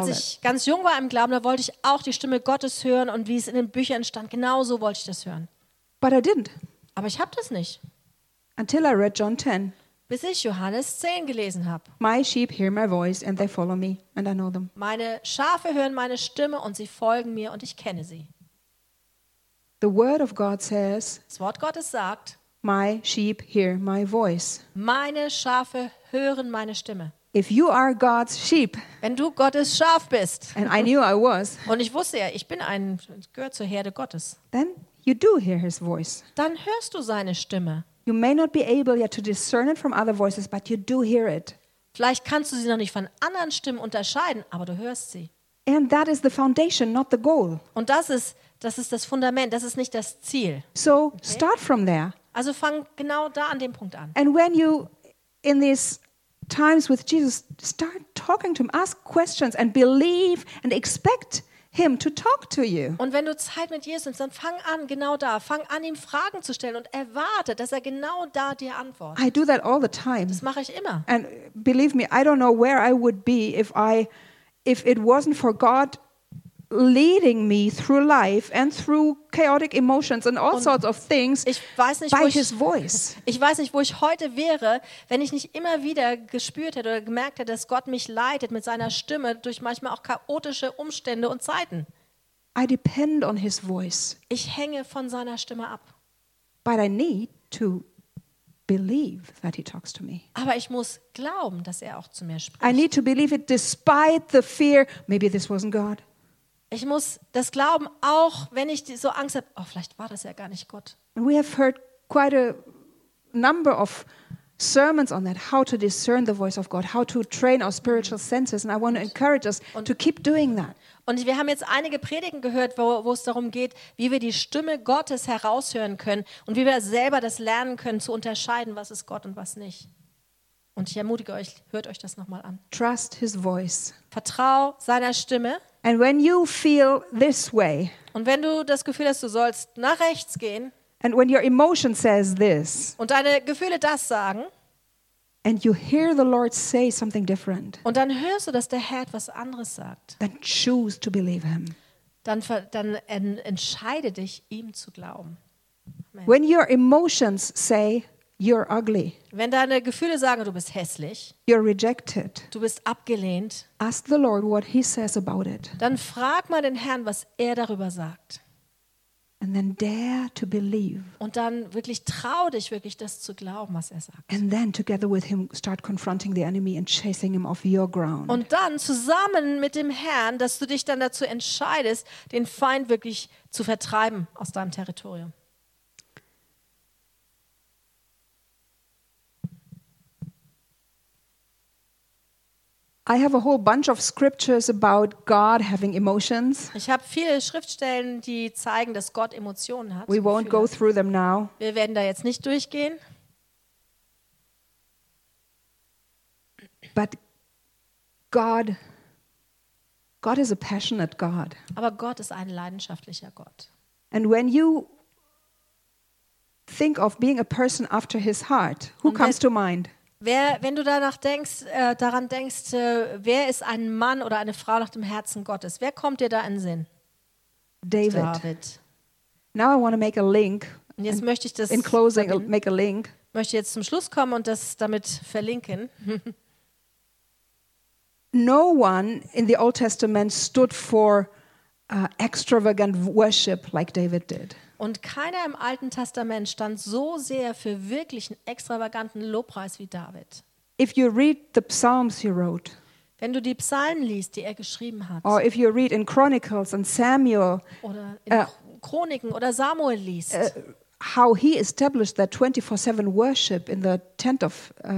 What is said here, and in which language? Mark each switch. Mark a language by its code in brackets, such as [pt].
[de] Als ich ganz jung war im Glauben, da wollte ich auch die Stimme Gottes hören und wie es in den Büchern stand. Genau so wollte ich das hören. [en] But I didn't. [de] Aber ich habe das nicht. [en] Until I read John 10. [de] Bis ich Johannes 10 gelesen habe. [en] My sheep hear my voice and they follow me and I know them. [de] Meine Schafe hören meine Stimme und sie folgen mir und ich kenne sie. [en] The word of God says, [de] das Wort Gottes sagt, [en] my sheep hear my voice. [de] Meine Schafe hören meine Stimme. [en] If you are God's sheep, [de] wenn du Gottes Schaf bist, [en] and I knew I was, [de] und ich wusste ja, ich bin ein, gehört zur Herde Gottes, [en] then you do hear his voice. [de] Dann hörst du seine Stimme. [en] You may not be able yet to discern it from other voices, but you do hear it. [de] Vielleicht kannst du sie noch nicht von anderen Stimmen unterscheiden, aber du hörst sie. [en] And that is the foundation, not the goal. [de] Und das ist das Fundament, das ist nicht das Ziel. [en] So, okay? Start from there. [de] Also fang genau da an dem Punkt an. [en] And when you in these times with Jesus start talking to him, ask questions and believe and expect him to talk to you. [de] Und wenn du Zeit mit Jesus hast, dann fang an, genau da. Fang an, ihm Fragen zu stellen und erwarte, dass er genau da dir antwortet. [en] I do that all the time. [de] Das mache ich immer. [en] And believe me, I don't know where I would be if it wasn't for God leading me through life and through chaotic emotions and all sorts of things by his voice. [de] Ich weiß nicht, wo ich heute wäre, wenn ich nicht immer wieder gespürt hätte oder gemerkt hätte, dass Gott mich leitet mit seiner Stimme durch manchmal auch chaotische Umstände und Zeiten. [en] I depend on his voice. [de] Ich hänge von seiner Stimme ab. [en] But I need to believe that he talks to me. [de] Aber ich muss glauben, dass er auch zu mir spricht. [en] I need to believe it despite the fear, maybe this wasn't God. [de] Ich muss das glauben, auch wenn ich so Angst habe, oh, vielleicht war das ja gar nicht Gott. [en] And we have heard quite a number of sermons on that, how to discern the voice of God, how to train our spiritual senses, and I want to encourage us to keep doing that. [de] Und wir haben jetzt einige Predigen gehört, wo es darum geht, wie wir die Stimme Gottes heraushören können und wie wir selber das lernen können, zu unterscheiden, was ist Gott und was nicht. Und ich ermutige euch, hört euch das nochmal an. [en] Trust his voice. [de] Vertrau seiner Stimme. [en] And when you feel this way, [de] und wenn du das Gefühl hast, du sollst nach rechts gehen, [en] and when your emotion says this, [de] und deine Gefühle das sagen, [en] and you hear the Lord say something different, [de] und dann hörst du, dass der Herr etwas anderes sagt, [en] then choose to believe him. [de] Dann entscheide dich, ihm zu glauben. [en] Amen. When your emotions say you're ugly, [de] wenn deine Gefühle sagen, du bist hässlich, [en] you're rejected, [de] du bist abgelehnt, [en] ask the Lord what he says about it. [de] Dann frag mal den Herrn, was er darüber sagt. [en] And then dare to believe. [de] Und dann wirklich trau dich wirklich, das zu glauben, was er sagt. [en] And then together with him start confronting the enemy and chasing him off your ground. [de] Und dann zusammen mit dem Herrn, dass du dich dann dazu entscheidest, den Feind wirklich zu vertreiben aus deinem Territorium. [en] I have a whole bunch of scriptures about God having emotions. [de] Ich habe viele Schriftstellen, die zeigen, dass Gott Emotionen hat. [en] We won't go through them now. [de] Wir werden da jetzt nicht durchgehen. [en] But God is a passionate God. [de] Aber Gott ist ein leidenschaftlicher Gott. [en] And when you think of being a person after his heart, who comes to mind? [de] Wenn du danach denkst, wer ist ein Mann oder eine Frau nach dem Herzen Gottes? Wer kommt dir da in Sinn? [en] David. Now I want to make a link. [de] Und jetzt möchte ich das [en] in closing make a link. [de] Möchte jetzt zum Schluss kommen und das damit verlinken. [en] No one in the Old Testament stood for extravagant worship like David did. [de] Und keiner im Alten Testament stand so sehr für wirklichen extravaganten Lobpreis wie David. [en] If you read the Psalms he wrote, [de] wenn du die Psalmen liest, die er geschrieben hat, [en] or if you read in Chronicles and Samuel, [de] oder in Chroniken oder Samuel liest, [en] how he established that 24/7 worship in the tent of